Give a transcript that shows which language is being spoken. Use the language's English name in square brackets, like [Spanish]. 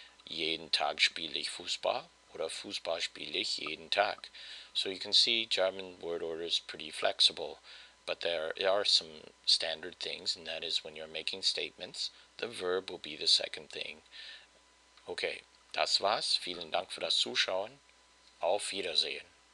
[German] Jeden Tag spiele ich Fußball, oder Fußball spiele ich jeden Tag. [English] So you can see German word order is pretty flexible, but there are some standard things, and that is when you're making statements, the verb will be the second thing. [German] Okay, das war's. Vielen Dank für das Zuschauen. Auf Wiedersehen.